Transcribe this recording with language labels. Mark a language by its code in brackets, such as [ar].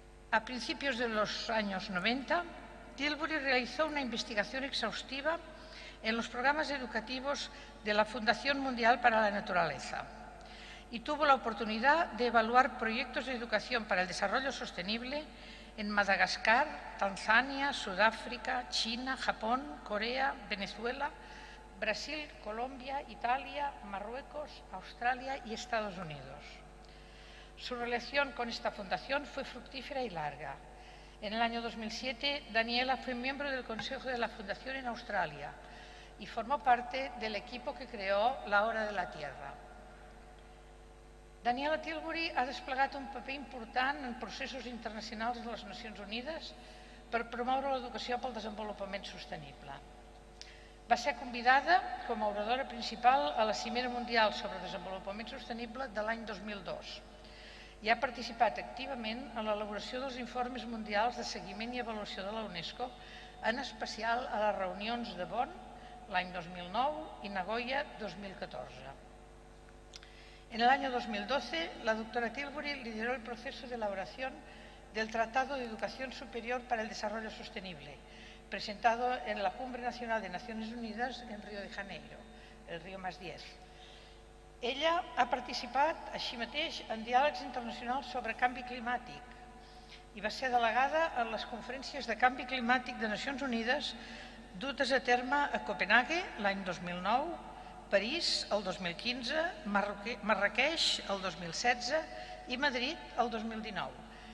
[es] A principios de los años 90, Tilbury realizó una investigación exhaustiva en los programas educativos de la Fundación Mundial para la Naturaleza y tuvo la oportunidad de evaluar proyectos de educación para el desarrollo sostenible en Madagascar, Tanzania, Sudáfrica, China, Japón, Corea, Venezuela, Brasil, Colombia, Italia, Marruecos, Australia y Estados Unidos. Su relación con esta fundación fue fructífera y larga. En el año 2007, Daniela fue miembro del Consejo de la Fundación en Australia y formó parte del equipo que creó la Hora de la Tierra. [ca] Daniela Tilbury ha desplegat un paper important en processos internacionals de les Nacions Unides per promoure l'educació pel desenvolupament sostenible. Va ser convidada com a oradora principal a la Cimera Mundial sobre Desenvolupament Sostenible de l'any 2002 i ha participat activament en l'elaboració dels informes mundials de seguiment i avaluació de la UNESCO, en especial a les reunions de Bonn l'any 2009 i Nagoya 2014. [es] En el año 2012, la doctora Tilbury lideró el proceso de elaboración del Tratado de Educación Superior para el Desarrollo Sostenible, presentado en la Cumbre Nacional de Naciones Unidas en Río de Janeiro, el Río Más 10. [ca] Ella ha participat així mateix en diàlegs internacionals sobre canvi climàtic i va ser delegada en les conferències de canvi climàtic de Nacions Unides dutes a terme a Copenhague l'any 2009, París el 2015, Marrakeix el 2016 i Madrid el 2019.